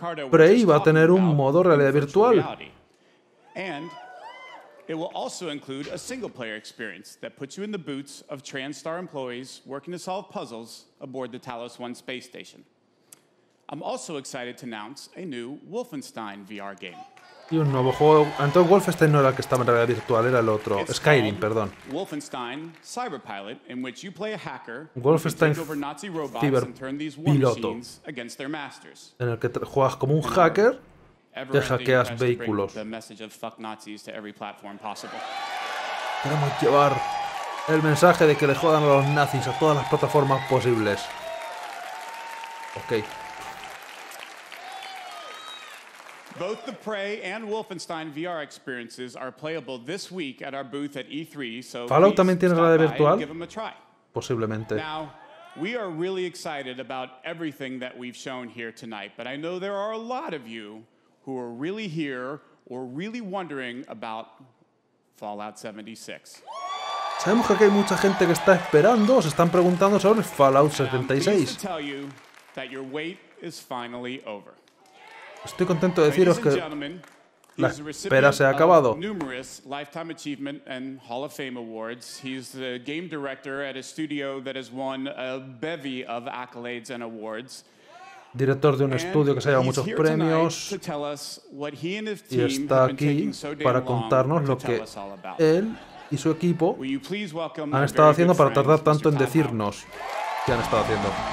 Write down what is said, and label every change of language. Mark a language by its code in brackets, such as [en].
[es] Prey va a tener un modo realidad virtual. [en] It will also include a single-player experience that puts you in the boots of Transtar employees working to solve puzzles aboard the Talos One space station. I'm also excited to announce a new Wolfenstein VR game. [es] Y un nuevo juego. Entonces Wolfenstein no era el que estaba en realidad virtual, era el otro. [en] It's Skyrim, [es] perdón. [en] Wolfenstein Cyberpilot, in which you play a hacker Wolfenstein who can take over Nazi robots and turn these war machines against their masters. [es] En el que juegas como un hacker. Te hackeas vehículos. Queremos llevar el mensaje de que le jodan a los nazis a todas las plataformas posibles. Ok. [en] Both the Prey and Wolfenstein VR experiences are playable this week at our booth at E3, so [es] Fallout también tiene realidad virtual. Posiblemente. [en] Now, we are really excited about everything that we've shown here tonight, but I know there are a lot of you who are really here or really wondering about Fallout 76. [es] Sabemos que hay mucha gente que está esperando, se están preguntando sobre Fallout 76. [en] I'm pleased to tell you that your wait is finally over. [es] Estoy contento de deciros que la espera se ha acabado. [en] Numerous Lifetime Achievement and Hall of Fame Awards. He's the game director at a studio that has won a bevy of accolades and awards. [es] Director de un estudio que se ha llevado muchos premios y está aquí para contarnos lo que él y su equipo han estado haciendo para tardar tanto en decirnos qué han estado haciendo.